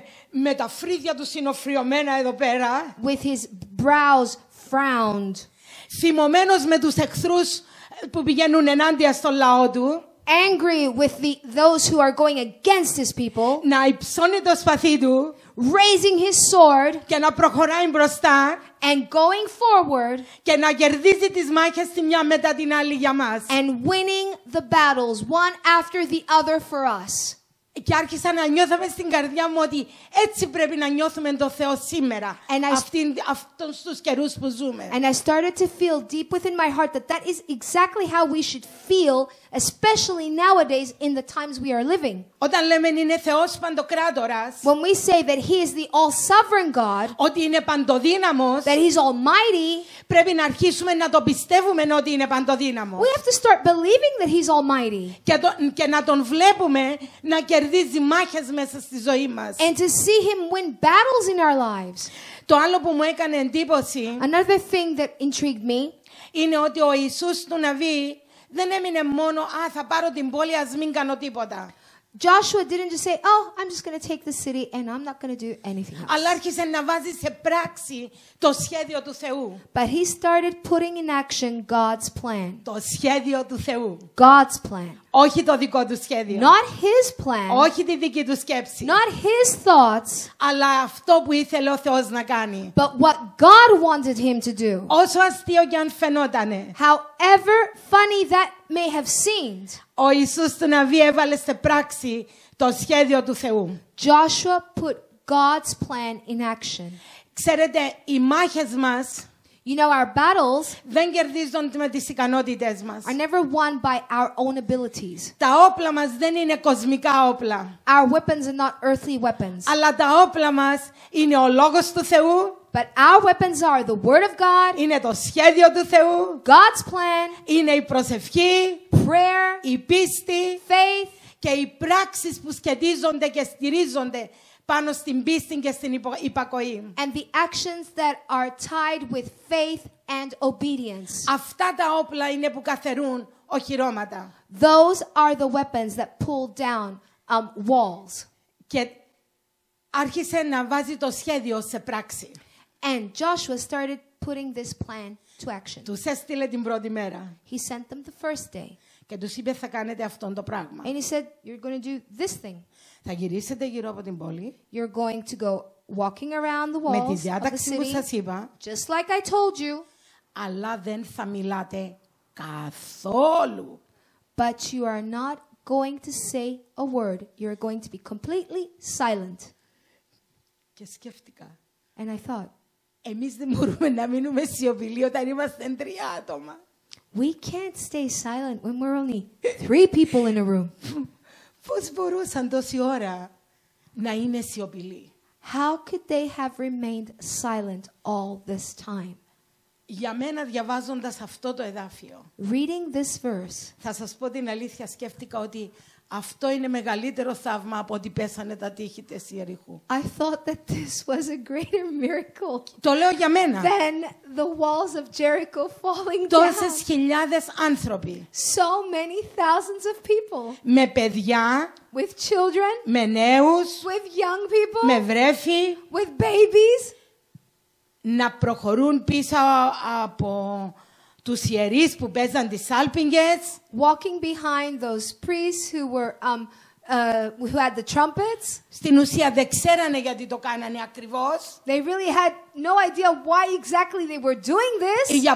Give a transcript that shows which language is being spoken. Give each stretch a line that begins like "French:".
Greek: Με τα φρύδια του συνοφριωμένα εδώ πέρα.
English: With his brows frowned.
Greek: Θυμωμένος με τους εχθρούς που πηγαίνουν ενάντια στον λαό του.
English: Angry with those who are going against his people.
Greek: Να υψώνει το σπαθί του.
English: Raising his sword.
Greek: Και να προχωράει μπροστά.
English: And going forward.
Greek: Και να κερδίζει τις μάχες τη μια μετά την άλλη για μας.
English: And winning the battles one after the other for us.
Greek: Και άρχισα να νιώθω μες στην καρδιά μου ότι έτσι πρέπει να νιώθουμε τον Θεό σήμερα. Αυτόν στους καιρούς που ζούμε.
English: And I started to feel deep within my heart that that is exactly how we should feel, especially nowadays in the times we are living.
Greek: Όταν λέμε είναι Θεός παντοκράτορας.
English: When we say that He is the all-sovereign God.
Greek: Ότι είναι παντοδύναμος.
English: That He's almighty.
Greek: Πρέπει να αρχίσουμε να το πιστεύουμε ότι είναι παντοδύναμος.
English: We have to start believing that He's almighty.
Greek: Και να τον βλέπουμε να κερδίζει μάχες μέσα στη ζωή μας.
English: And to see Him win battles in our lives.
Greek: Το άλλο που μου έκανε εντύπωση.
English: Another thing that intrigued me.
Greek: Είναι ότι ο Ιησούς του Ναβί δεν έμεινε μόνο θα πάρω την πόλη ας μην κάνω τίποτα.
English: Joshua didn't just say, oh, I'm just going to take the city and I'm not going to do anything else.
Greek: Αλλά άρχισε να βάζει σε πράξη το σχέδιο του Θεού.
English: But he started putting in action God's plan.
Greek: Το σχέδιο του Θεού.
English: God's plan.
Greek: Όχι το δικό του σχέδιο.
English: Not his plan.
Greek: Όχι τη δική του σκέψη.
English: Not his thoughts.
Greek: Αλλά αυτό που ήθελε ο Θεός να κάνει.
English: But what God wanted him to do.
Greek: Όσο αστείο και αν φαινότανε.
English: However funny that may have seemed.
Greek: Ο Ιησούς του Ναβί έβαλε σε πράξη το σχέδιο του Θεού.
English: Joshua put God's plan in action.
Greek: Ξέρετε, οι μάχες μας,
English: you know, our battles
Greek: δεν κερδίζονται με τις ικανότητες μας.
English: Are never won by our own abilities.
Greek: Τα όπλα μας δεν είναι κοσμικά όπλα.
English: Our weapons are not earthly weapons.
Greek: Αλλά τα όπλα μας είναι ο λόγος του Θεού.
English: But our weapons are the Word of God.
Greek: Είναι το σχέδιο του Θεού.
English: God's plan.
Greek: Είναι η προσευχή.
English: Prayer.
Greek: Η πίστη.
English: Faith.
Greek: Και οι πράξεις που σχετίζονται και στηρίζονται πάνω στην πίστη και στην υπακοή.
English: And the actions that are tied with faith and obedience.
Greek: Αυτά τα όπλα είναι που καθερούν οχυρώματα.
English: Those are the weapons that pull down walls.
Greek: Και άρχισε να βάζει το σχέδιο σε πράξη.
English: And Joshua started putting this plan to action.
Greek: Τους έστειλε την πρώτη μέρα.
English: He sent them the first day.
Greek: Και τους είπε θα κάνετε αυτό το πράγμα.
English: And he said you're going to do this thing.
Greek: Θα γυρίσετε γύρω από την πόλη.
English: You're going to go walking around the walls
Greek: με τη διάταξη
English: of the city,
Greek: που σας είπα.
English: Just like I told you.
Greek: Αλλά δεν θα μιλάτε καθόλου.
English: But you are not going to say a word. You're going to be completely silent.
Greek: Και σκέφτηκα.
English: And I thought,
Greek: εμείς δεν μπορούμε να μείνουμε σιωπηλοί όταν είμαστε τρία άτομα.
English: We can't stay silent when we're only three people in a room.
Greek: Πώς μπορούσαν τόση ώρα να είναι σιωπηλοί?
English: How could they have remained silent all this time?
Greek: Για μένα, διαβάζοντας αυτό το εδάφιο,
English: reading this verse,
Greek: θα σας πω την αλήθεια, σκέφτηκα ότι αυτό είναι μεγαλύτερο θαύμα από ότι πέσανε τα τείχη της Ιεριχού.
English: I thought that this was a greater miracle.
Greek: Το λέω για μένα.
English: Than the walls of Jericho falling down.
Greek: Τόσες χιλιάδες άνθρωποι.
English: So many thousands of people.
Greek: Με παιδιά.
English: With children.
Greek: Με νέους.
English: With young people.
Greek: Με βρέφη.
English: With babies.
Greek: Να προχωρούν πίσω από τους ιερείς που παίζαν τις σάλπιγγες.
English: Walking behind those priests who were who had the trumpets.
Greek: Στην ουσία δεν ξέρανε γιατί το κάνανε ακριβώς.
English: They really had no idea why exactly they were doing this.